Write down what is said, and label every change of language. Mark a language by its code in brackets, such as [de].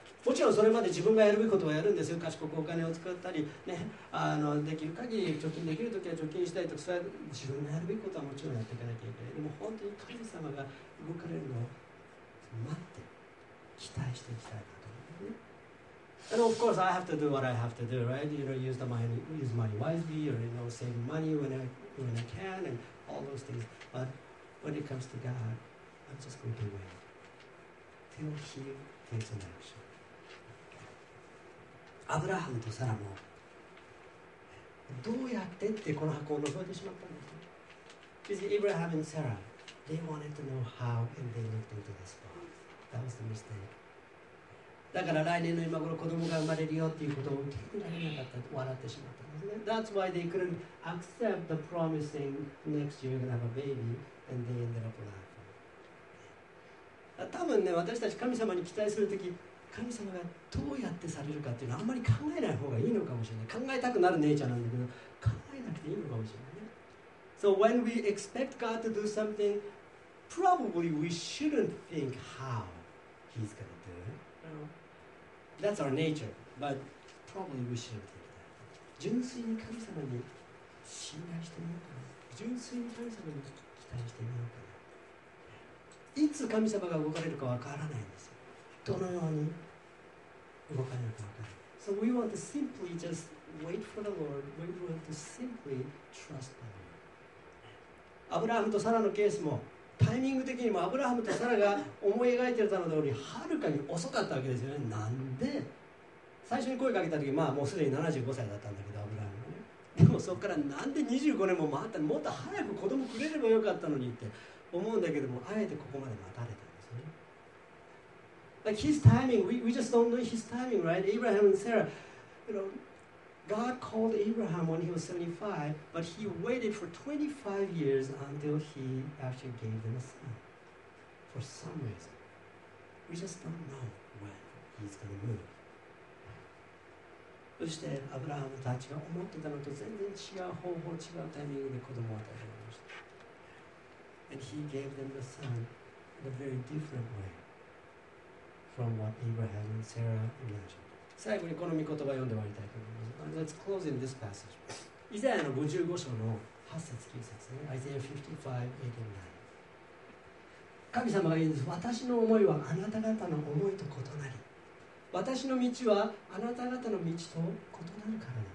[ja] もちろんそれまで自分がやるべきことはやるんですよ。賢くお金を使ったり、ね、できる限り貯金できるときは貯金したりとか、それは自分がやるべきことはもちろんやっていかなきゃいけない。でも本当に神様が動かれるのを待って期待していきたいなと思います。 [en] And of course, I have to do what I have to do, right? You know, use money wisely, or you know, save money when I can, and all those things. But when it comes to God, I'm just going to wait till He takes an action. Abraham and Sarah, how did they open this box? Because Abraham and Sarah, they wanted to know how, and they looked into this box. That was the mistake. [ja] だから来年の今頃子供が生まれるよっていうことを受け入れられなかったと笑ってしまったんですね。 [en] That's why they couldn't accept the promising next year you're gonna have a baby and they ended up laughing. [ja] 多分ね、私たち神様に期待するとき、神様がどうやってされるかっていうのはあんまり考えない方がいいのかもしれない。考えたくなるネイチャーなんだけど、考えなくていいのかもしれないね。 [en] So when we expect God to do something, probably we shouldn't think how he's gonna do it. That's our nature, but probably we should take that. [ja] 純粋に神様に信頼してみようかな。純粋に神様に期待してみようかな。いつ神様が動かれるかわからないんですよ。どのように動かれるかわからない。 [en] So we want to simply just wait for the Lord. We want to simply trust the Lord. [ja] アブラハムとサラのケースも、タイミング的にもアブラハムとサラが思い描いていたの通りはるかに遅かったわけですよね。なんで最初に声かけた時、まあもうすでに75歳だったんだけど、アブラハムはね。でもそこからなんで25年も待ったの、もっと早く子供くれればよかったのにって思うんだけども、あえてここまで待たれたんですよね。 [en] Like his timing, we just don't know his timing, right? Abraham and Sarah, you know, God called Abraham when he was 75, but he waited for 25 years until he actually gave them a son. For some reason, we just don't know when he's going to move. [ja] そしてアブラハムたちが思ってたのと全然違う方法、違うタイミングで子供を与えられました。 [en] And he gave them the son in a very different way from what Abraham and Sarah imagined. [ja] 最後にこの御言葉を読んで終わりたいと思います。 [en] Let's close in this passage. [ja] イザヤの55章の8節9節ね。 [en] Isaiah 55, 8 and 9. [ja] 神様が言うんです。私の思いはあなた方の思いと異なり。私の道はあなた方の道と異なるからだ。